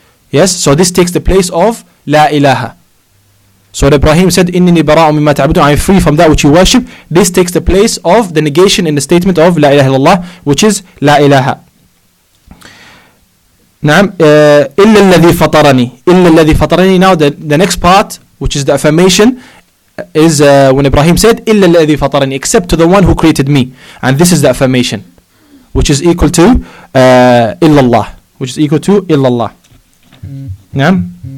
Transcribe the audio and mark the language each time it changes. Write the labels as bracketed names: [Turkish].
[English] Yes, so this takes the place of La ilaha. So Ibrahim said, [Arabic] إِنِّنِي بَرَاءٌ مِمَّا تَعْبُدُونَ, [English] I am free from that which you worship. This takes the place of the negation in the statement of La ilaha illallah, which is La ilaha. [Arabic] نعم إلا الذي فطرني إلا الذي فطرني. [English] Now the next part, which is the affirmation, is when Ibrahim said [Arabic] إلا الذي فطرني, [English] except to the one who created me, and this is the affirmation, which is equal to [Arabic] إلا الله, [English] which is equal to إلا الله. [Arabic] نعم.